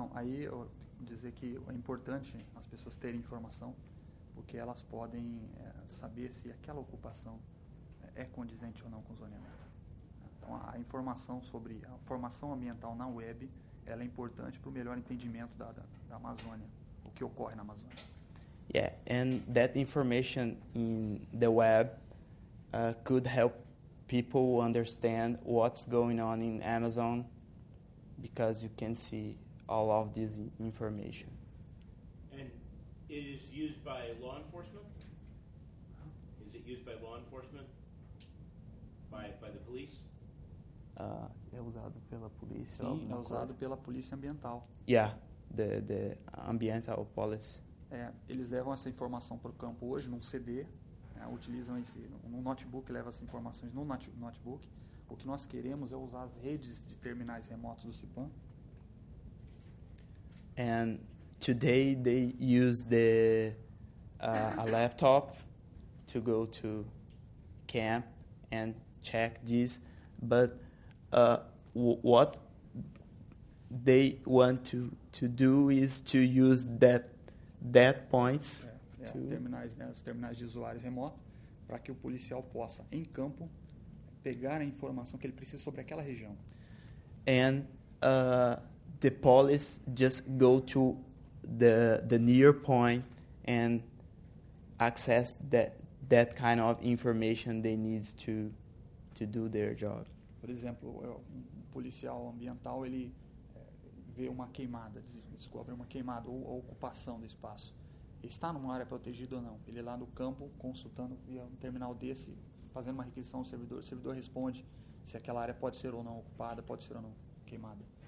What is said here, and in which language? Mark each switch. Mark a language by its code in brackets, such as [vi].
[pt] Não, aí eu dizer que é importante as pessoas terem informação, porque elas podem saber se aquela ocupação é condizente ou não com o zoneamento. Então, a informação sobre a formação ambiental na web, ela é importante para o melhor entendimento da Amazônia, o que ocorre na Amazônia. [en] Yeah, and that information in the web could help people understand what's going on in Amazon, because you can see all of this information. And it is used by law enforcement? Is it used by law enforcement? By the police? [pt] É usado pela polícia. Sim, é usado pela polícia ambiental. [en] Yeah, the ambiental police. [pt] Eles levam essa informação para o campo hoje, num CD, utilizam esse, num notebook, leva essas informações no notebook. O que nós queremos é usar as redes de terminais remotos do CIPAM. [en] And today they use the a laptop to go to camp and check this. But what they want to do is to use that points. [pt] Terminais, né, os terminais de usuários remotos, para que o policial possa, em campo, pegar a informação que ele precisa sobre aquela região. [en] And the police just go to the near point and access that kind of information they need to do their job. [pt] Por exemplo, um policial ambiental, ele vê uma queimada, descobre uma queimada ou ocupação do espaço. está numa área protegida ou não. Ele é lá no campo consultando via um terminal desse, fazendo uma requisição ao servidor. O servidor responde se aquela área pode ser ou não ocupada, pode ser ou não queimada.